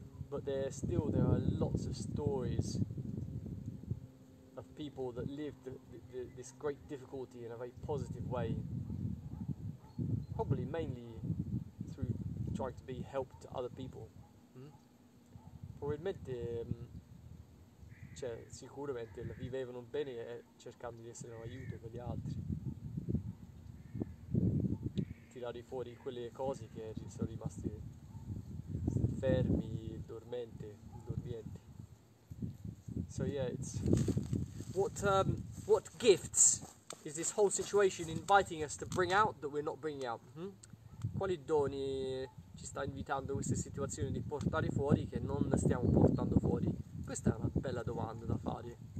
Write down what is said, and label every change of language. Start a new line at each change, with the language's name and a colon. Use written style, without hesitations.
English: But there are lots of stories of people that lived this great difficulty in a very positive way. Probably mainly through trying to be help to other people.
Italian: Probabilmente, cioè, sicuramente la vivevano bene cercando di essere un aiuto per gli altri. Tirare fuori quelle cose che sono rimaste fermi. Dormienti.
English: So yeah, it's what gifts is this whole situation inviting us to bring out that we're not bringing out?
Italian: Quali doni ci sta invitando questa situazione di portare fuori che non stiamo portando fuori? Questa è una bella domanda da fare.